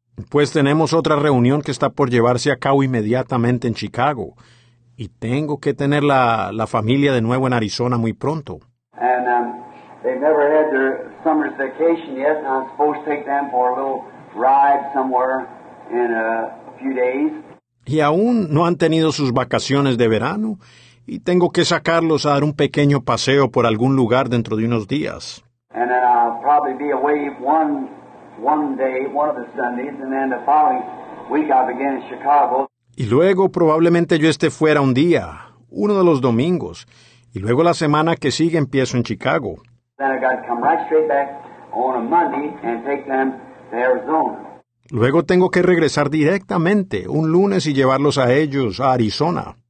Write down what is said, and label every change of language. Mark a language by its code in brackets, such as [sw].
[es] Pues tenemos otra reunión que está por llevarse a cabo inmediatamente en Chicago. Y tengo que tener la familia de nuevo en Arizona muy pronto. [en] And they've never had their summer's vacation yet, and I'm supposed to take them for a little ride somewhere in a few days. [es] Y aún no han tenido sus vacaciones de verano, y tengo que sacarlos a dar un pequeño paseo por algún lugar dentro de unos días. [en] And then I'll probably be away one day, one of the Sundays, and then the following week I'll begin in Chicago. [es] Y luego probablemente yo esté fuera un día, uno de los domingos, y luego la semana que sigue empiezo en Chicago. [en] Then I got to come right straight back on a Monday and take them to Arizona. [es] Luego tengo que regresar directamente un lunes y llevarlos a ellos a Arizona.